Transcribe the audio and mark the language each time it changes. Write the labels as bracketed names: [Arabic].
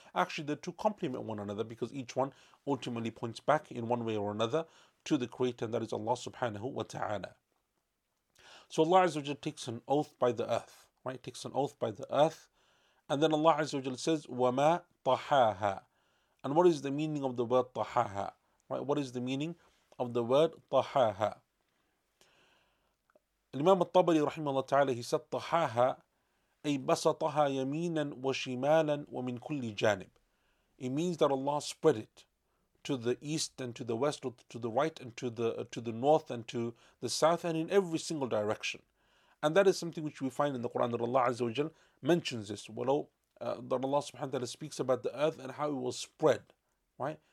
[English] Actually, they're two complement one another, because each one ultimately points back in one way or another to the creator, and that is Allah subhanahu wa ta'ala. So Allah Azza wa Jalla takes an oath by the earth, right? Takes an oath by the earth. And then Allah Azza wa Jalla says, [Arabic] وَمَا طَحَاهَا. [English] And what is the meaning of the word طَحَاهَا? Right? What is the meaning of the word طَحَاهَا? Imam al-Tabari, rahimahullah ta'ala, he said, [Arabic] طَحَاهَا أي بَسَطَهَا يَمِينًا وَشِمَالًا وَمِنْ كُلِّ جَانِبٍ. [English] It means that Allah spread it to the east and to the west, or to the right and to the north and to the south, and in every single direction. And that is something which we find in the Quran, that Allah Azza wa Jalla mentions this. That Allah subhanahu wa ta'ala speaks about the earth and how it was spread, right?